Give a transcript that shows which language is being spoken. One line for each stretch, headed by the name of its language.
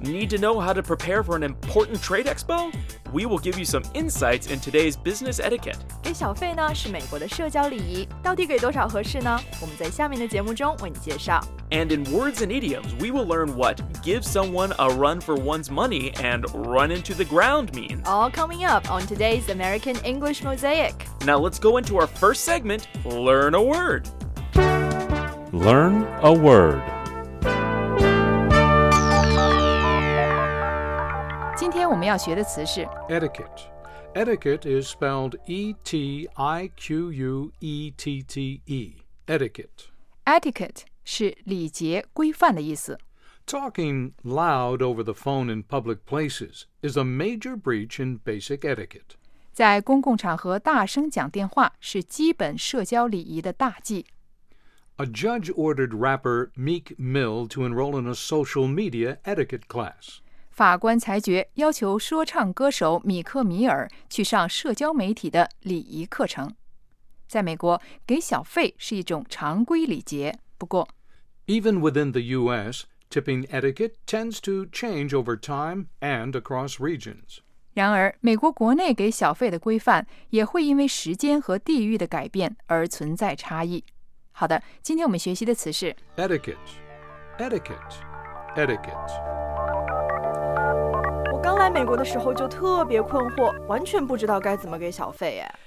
English: Need to know how to prepare for an important trade expo? We will give you some insights in today's business etiquette.
Chinese: 给小费呢是美国的社交礼仪，到底给多少合适呢？我们在下面的节目中为你介绍。
English: And in words and idioms, we will learn what give someone a run for one's money and run into the ground means. All coming up on today's American English Mosaic. Now let's go into our first segment, Learn a Word. Learn a word.
Chinese: 今天我们要学的词是
English: etiquette. Etiquette is spelled E-T-I-Q-U-E-T-T-E. Etiquette.
Chinese: Etiquette 是礼节、规范的意思。
English: Talking loud over the phone in public places is a major breach in basic etiquette.
Chinese: 在公共场合大声讲电话是基本社交礼仪的大忌。
English: A judge ordered rapper Meek Mill to enroll in a social media etiquette class.
Chinese: 法官裁决要求说唱歌手米克米尔去上社交媒体的礼仪课程。在美国，给小费是一种常规礼节。不过
English: ，Even within the U.S., tipping etiquette tends to change over time and across regions.
Chinese: 然而，美国国内给小费的规范也会因为时间和地域的改变而存在差异。好的，今天我们学习的词是
English: etiquette, etiquette, etiquette.
Chinese: 我刚来美国的时候就特别困惑，完全不知道该怎么给小费耶。